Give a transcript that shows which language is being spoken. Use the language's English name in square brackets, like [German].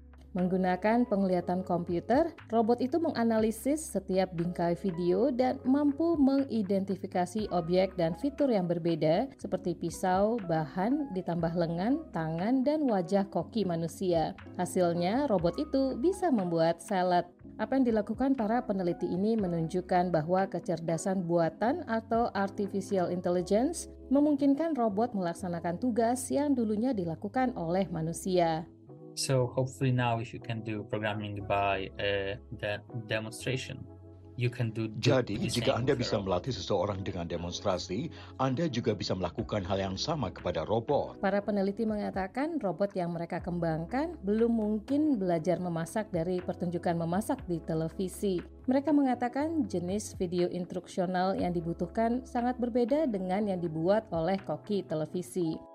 [Indonesian] Menggunakan penglihatan komputer, robot itu menganalisis setiap bingkai video dan mampu mengidentifikasi objek dan fitur yang berbeda seperti pisau, bahan, ditambah lengan, tangan, dan wajah koki manusia. Hasilnya, robot itu bisa membuat salad. Apa yang dilakukan para peneliti ini menunjukkan bahwa kecerdasan buatan atau artificial intelligence memungkinkan robot melaksanakan tugas yang dulunya dilakukan oleh manusia. [English] So hopefully now if you can do programming by that demonstration, you can do. [Indonesian] Jadi jika Anda bisa melatih seseorang dengan demonstrasi, Anda juga bisa melakukan hal yang sama kepada robot. Para peneliti mengatakan robot yang mereka kembangkan belum mungkin belajar memasak dari pertunjukan memasak di televisi. Mereka mengatakan jenis video instruksional yang dibutuhkan sangat berbeda dengan yang dibuat oleh koki televisi.